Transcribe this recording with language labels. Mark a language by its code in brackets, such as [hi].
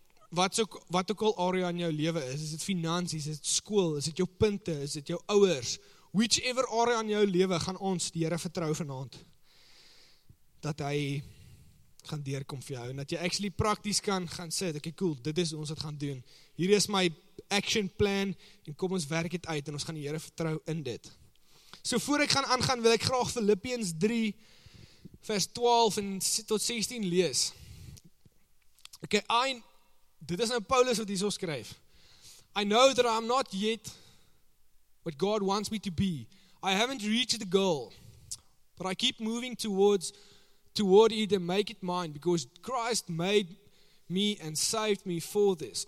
[af] wat ook al area in jou lewe is, is dit finansies, is dit skool, is dit jou punte, is dit jou ouers, [en] whichever area [af] in jou lewe, gaan ons die Here vertrou vanaand, dat hy gaan deurkom vir jou, en dat jy actually prakties kan gaan sê, ok cool, dit is ons wat gaan doen, hier is my action plan, en kom ons werk het uit, en ons gaan die Here vertrou in dit. So voor ek gaan aangaan, wil ek graag Filippiens 3 vers 12 en tot 16 lees. Ok, dit is nou Paulus wat hier so skryf. [en] I know that I am not yet what God wants me to be. I haven't reached the goal, but I keep moving toward it and make it mine, because Christ made me and saved me for this.